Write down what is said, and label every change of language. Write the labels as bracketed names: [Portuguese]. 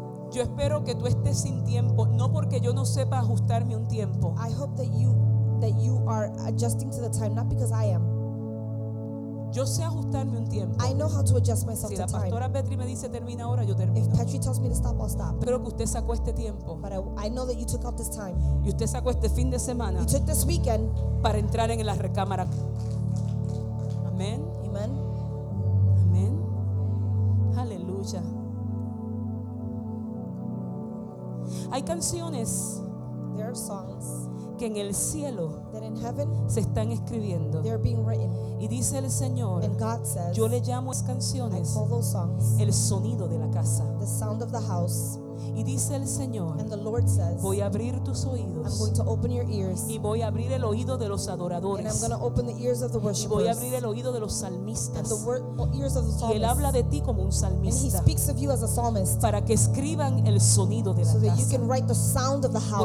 [Spanish] Yo espero que tú estés sin tiempo, no porque yo no sepa ajustarme un tiempo. [English] I hope that you are adjusting to the time, not because I am. [Spanish] Yo sé ajustarme un tiempo. [English] I know how to adjust myself [Spanish] si [English] to time. [Spanish] Si la pastora Petri me dice termina ahora, yo termino. [English] If Petri tells me to stop, I'll stop. [Spanish] Pero que usted sacó este tiempo. [English] But I know that you took out this time. [Spanish] Y usted sacó este fin de semana. [English] You took this weekend [Spanish] para entrar en la recámara. Amén. [English] Amen. [Spanish] Amén. Aleluya. Hay canciones. [English] There are songs. [Spanish] Que en el cielo [English] in heaven, [Spanish] se están escribiendo. [English] They are being written. [Spanish] Y dice el Señor, [English] and God says, [Spanish] yo le llamo a esas canciones, [English] I call those songs, [Spanish] el sonido de la casa. [English] The sound of the house. [Spanish] Y dice el Señor, [English] and the Lord says, [Spanish] voy a abrir tus oídos. [English] I'm going to open your ears. [Spanish] Y voy a abrir el oído de los adoradores. [English] And I'm going to open the ears of the worshipers. [Spanish] Y voy a abrir el oído de los salmistas. [English] And the ears of the psalmists. [Spanish] Y él habla de ti como un salmista. [English] And he speaks of you as a psalmist. [Spanish] Para que escriban el sonido de la [English] so [Spanish] casa. [English] So that you can write the sound of the house.